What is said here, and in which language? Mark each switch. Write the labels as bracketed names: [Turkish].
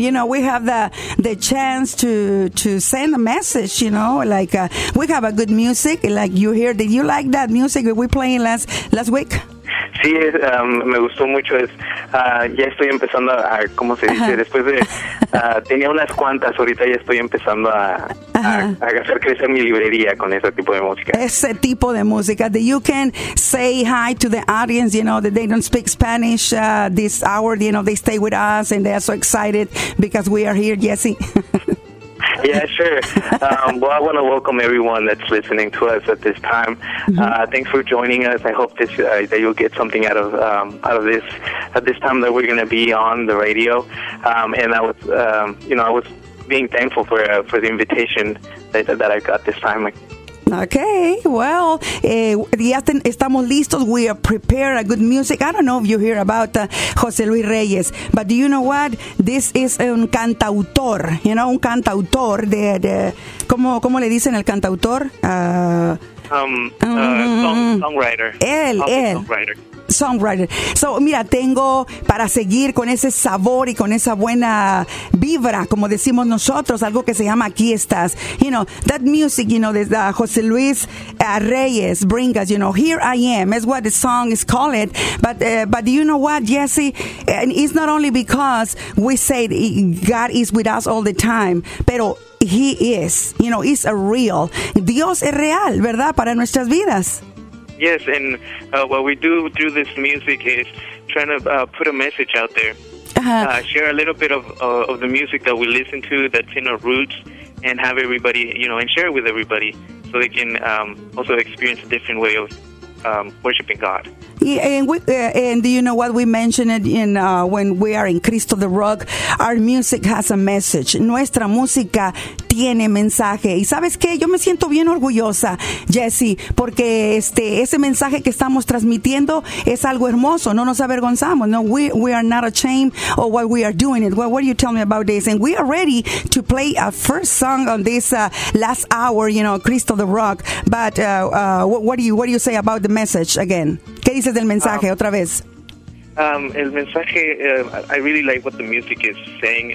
[English] You know, we have the chance to send a message, you know, like we have a good music, like you hear. Did you like that music that we playing last week? [Spanish] Sí, me gustó mucho. Ya estoy empezando a, ¿cómo se dice? Después de, tenía unas cuantas, ahorita ya estoy empezando a hacer crecer mi librería con ese tipo de música. Ese tipo de música, [English] that you can say hi to the audience, you know, that they don't speak Spanish this hour, you know, they stay with us and they are so excited because we are here, Jesse. Yeah, sure. Well, I want to welcome everyone that's listening to us at this time. Mm-hmm. Thanks for joining us. I hope this, that you'll get something out of this at this time that we're going to be on the radio. And I was, you know, I was being thankful for the invitation that I got this time. Okay, well, [Spanish] ya estamos listos. [English] We are prepared. A good music. I don't know if you hear about José Luis Reyes, but do you know what? This is un cantautor. You know, un cantautor. [Spanish] ¿Cómo le dicen el cantautor? [English] Songwriter. Él. Songwriter. [Spanish] So, mira, tengo para seguir con ese sabor y con esa buena vibra, como decimos nosotros, algo que se llama Aquí Estás. [English] You know, that music, you know, de José Luis Reyes, bring us, you know, Here I Am, is what the song is called. But you know what, Jesse? And it's not only because we say God is with us all the time, pero He is, you know, He's a real. [Spanish] Dios es real, ¿verdad? Para nuestras vidas. [English] Yes, and what we do through this music is trying to put a message out there, share a little bit of the music that we listen to that's in our roots, and have everybody, you know, and share it with everybody so they can also experience a different way of worshiping God. Yeah, and do you know what we mentioned it in when we are in Cristo the Rock? Our music has a message. [Spanish] Nuestra música tiene mensaje. Y sabes qué, yo me siento bien orgullosa, Jesse, porque ese mensaje que estamos transmitiendo es algo hermoso. No nos avergonzamos. [English] No, we are not ashamed of what we are doing. What do you tell me about this? And we are ready to play a first song on this last hour, you know, Cristo the Rock. But what do you say about the message again? [Spanish] ¿Qué dices del mensaje otra vez? El mensaje, [English] I really like what the music is saying.